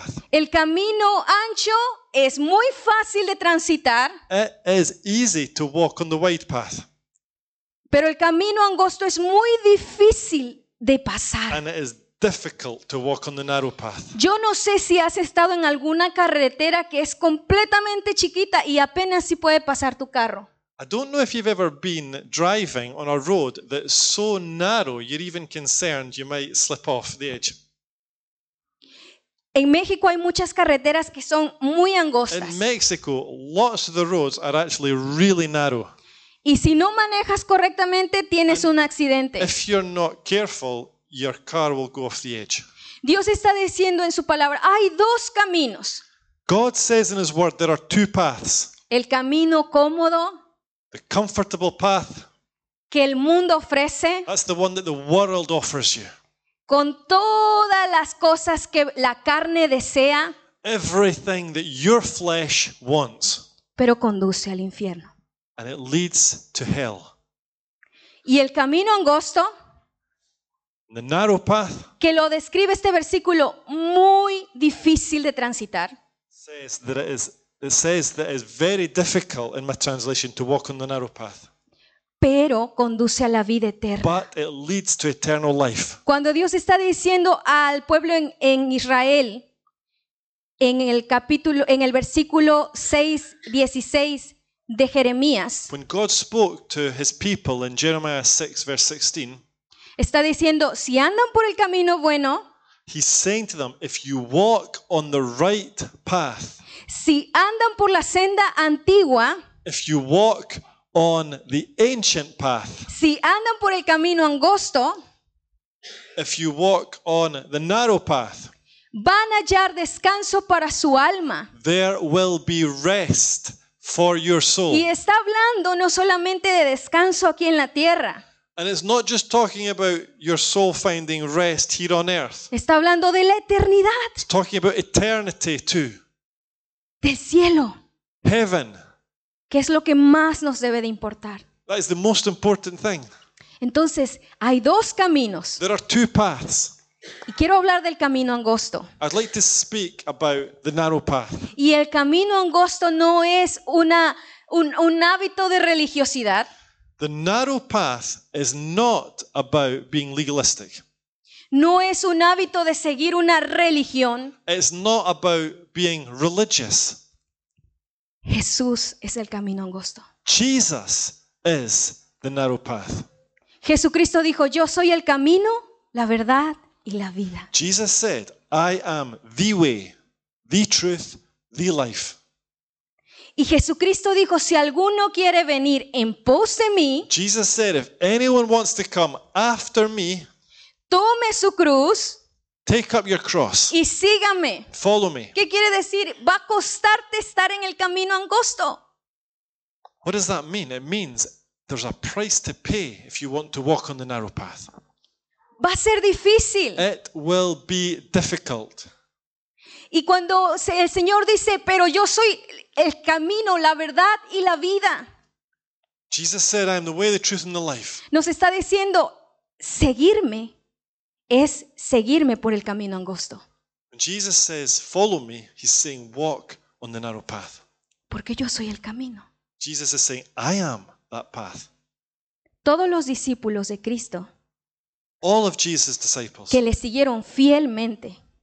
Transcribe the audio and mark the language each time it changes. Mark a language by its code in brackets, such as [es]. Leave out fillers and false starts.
[es] El camino ancho es muy fácil de transitar. [en] It is easy to walk on the wide path. [es] Pero el camino angosto es muy difícil de pasar. [en] And it is difficult to walk on the narrow path. [es] Yo no sé si has estado en alguna carretera que es completamente chiquita y apenas si puede pasar tu carro. [en] I don't know if you've ever been driving on a road that's so narrow you're even concerned you might slip off the edge. [es] En México hay muchas carreteras que son muy angostas. [en] In Mexico, lots of the roads are actually really narrow. [es] Y si no manejas correctamente, tienes un accidente. [en] If you're not careful, your car will go off the edge. [es] Dios está diciendo en su palabra, hay dos caminos. [en] God says in his word there are two paths. [es] El camino cómodo, [en] the comfortable path, [es] que el mundo ofrece. [en] That's the one that the world offers you. [es] Con todas las cosas que la carne desea. [en] Everything that your flesh wants. [es] Pero conduce al infierno. [en] And it leads to hell. [es] Y el camino angosto, [en] the narrow path, [es] que lo describe este versículo muy difícil de transitar. [en] It says that it is very difficult in my translation to walk on the narrow path. [es] Pero conduce a la vida eterna. [en] But it leads to eternal life. [es] Cuando Dios está diciendo al pueblo en Israel en el capítulo en el versículo 6:16 de Jeremías. [en] When God spoke to his people in Jeremiah 6 verse 16. [es] Está diciendo, si andan por el camino bueno, [en] he's saying to them, if you walk on the right path, [es] si andan por la senda antigua, [en] if you walk on the ancient path, [es] si andan por el camino angosto, [en] if you walk on the narrow path, [es] van a hallar descanso para su alma. [en] There will be rest for your soul. [es] Y está hablando no solamente de descanso aquí en la tierra. [en] And it's not just talking about your soul finding rest here on earth. [es] Está hablando de la eternidad. [en] It's talking about eternity too. [es] Del cielo. [en] Heaven. [es] ¿Qué es lo que más nos debe de importar? [en] That is the most important thing. [es] Entonces, hay dos caminos. [en] There are two paths. [es] Y quiero hablar del camino angosto. [en] I'd like to speak about the narrow path. [es] Y el camino angosto no es un hábito de religiosidad. [en] The narrow path is not about being legalistic. [es] No es un hábito de seguir una religión. [en] It's not about being religious. [es] Jesús es el camino angosto. [en] Jesus is the narrow path. [es] Jesucristo dijo, "Yo soy el camino, la verdad y la vida." [en] Jesus said, "I am the way, the truth, the life." [es] Y Jesucristo dijo, si alguno quiere venir en pos de mí, [en] Jesus said, if anyone wants to come after me, [es] tome su cruz, [en] take up your cross, [es] y sígame. [en] Follow me. [es] ¿Qué quiere decir? Va a costarte estar en el camino angosto. [en] What does that mean? It means there's a price to pay if you want to walk on the narrow path. [es] Va a ser difícil. [en] It will be difficult. [es] Y cuando el Señor dice, pero yo soy el camino, la verdad y la vida. [en] Jesus said, I am the way, the truth, and the life. [es] Nos está diciendo, seguirme es seguirme por el camino angosto. [en] When Jesus says, follow me, he's saying, walk on the narrow path. [es] Porque yo soy el camino. [en] Jesus is saying, I am that path. [es] Todos los discípulos de Cristo, [en] all of Jesus' disciples, [es] que le siguieron fielmente,